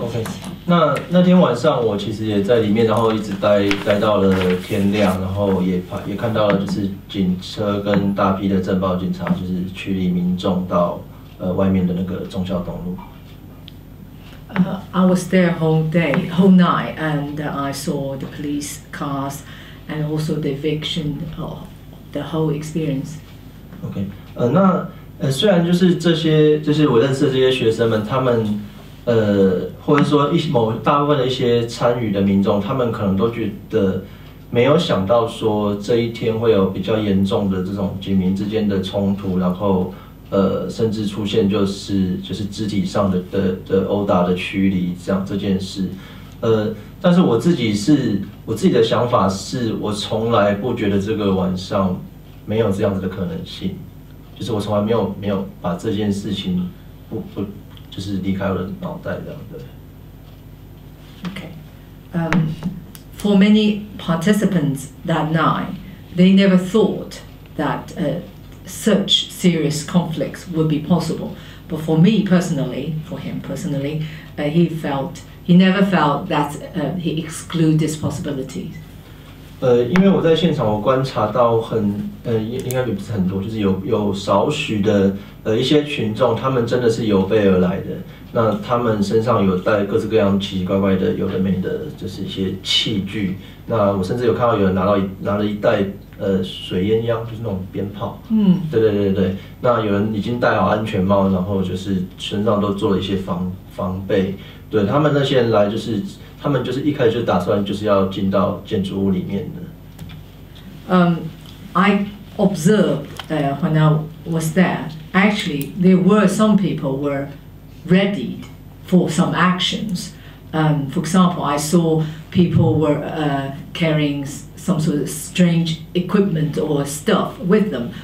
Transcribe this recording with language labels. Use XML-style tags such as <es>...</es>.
<zh>OK, 那天晚上我其实也在里面，然后一直待到了天亮，然后也看到了就是警车跟大批的政报警察就是驱离民众到外面的那个忠孝东路。</zh> <en>I was there whole night, and I saw the police cars and also the eviction of the whole experience.</en> <zh>OK, 虽然就是这些就是我认识的这些学生们，他们或者说某大部分的一些参与的民众，他们可能都觉得没有想到说这一天会有比较严重的这种警民之间的冲突，然后甚至出现就是肢体上的殴打的驱离这件事，但是我自己的想法是我从来不觉得这个晚上没有这样子的可能性，就是我从来没有把这件事情不。就是离开了脑袋这样，对。</zh> <en>Okay, for many participants that night, they never thought that such serious conflicts would be possible. But for me personally, for him personally, he never felt that he excluded this possibility.</en> <zh>因为我在现场，我观察到很应该也不是很多，就是有少许的。一些群众，他们真的是有备而来的。那他们身上有带各式各样奇奇怪怪的、有的没的，就是一些器具。那我甚至有看到有人拿了一袋水烟枪，就是那种鞭炮。嗯，对对对对。那有人已经戴好安全帽，然后就是身上都做了一些防备。对他们那些人来，就是他们就是一开始就打算就是要进到建筑物里面的。</zh> <en>I observed when I was there, actually there were some people were ready for some actions. For example, I saw people were carrying some sort of strange equipment or stuff with them.</en>